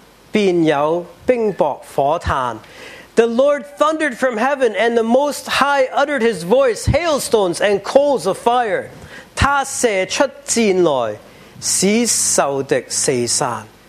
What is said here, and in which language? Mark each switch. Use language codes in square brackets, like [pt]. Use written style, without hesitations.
[zh] 耶和华也在天上打雷，至高者发声音，便有冰雹火炭。 [en] The Lord thundered from heaven, and the Most High uttered his voice, hailstones and coals of fire. [zh] 他射出箭来，使仇敌四散。